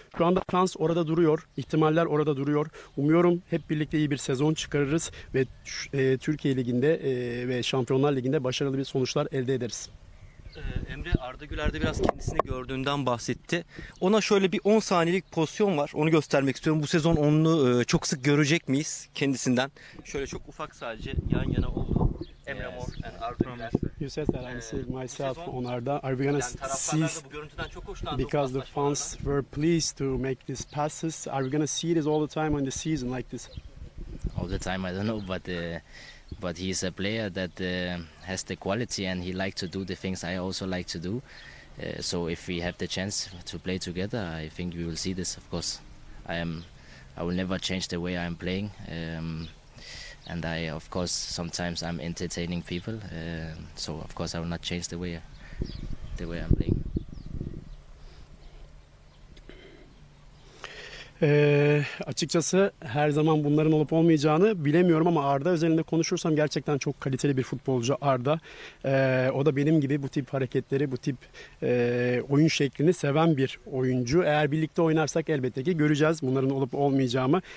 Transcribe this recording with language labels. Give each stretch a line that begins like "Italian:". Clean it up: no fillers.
Turkish: Şu anda şans orada duruyor. İhtimaller orada duruyor. Umuyorum hep birlikte iyi bir sezon çıkarırız ve Türkiye Ligi'nde ve Şampiyonlar Ligi'nde başarılı bir sonuçlar elde ederiz. Emre Arda Güler'de biraz kendisini gördüğünden bahsetti. Ona şöyle bir 10 saniyelik pozisyon var. Onu göstermek istiyorum. Bu sezon onu çok sık görecek miyiz kendisinden? Şöyle çok ufak sadece yan yana oldu. Emre Mor and Arda Güler.
English: You said that I said myself on Arda. Are we going to see
Turkish: bu görüntüden çok hoşlandı.
English: Because the fans were pleased to make these passes. Are we going to see this all the time on the season like this? All the time, I don't know, but he's a player that has the quality and he likes to do the things I also like to do. So if we have the chance to play together, I think we will see this, of course. I will never change the way I'm playing. And I, of course, sometimes I'm entertaining people. So of course I will not change the way I'm playing.
Turkish: Açıkçası her zaman bunların olup olmayacağını bilemiyorum ama Arda özelinde konuşursam gerçekten çok kaliteli bir futbolcu Arda. O da benim gibi bu tip hareketleri, bu tip oyun şeklini seven bir oyuncu. Eğer birlikte oynarsak elbette ki göreceğiz bunların olup olmayacağımı.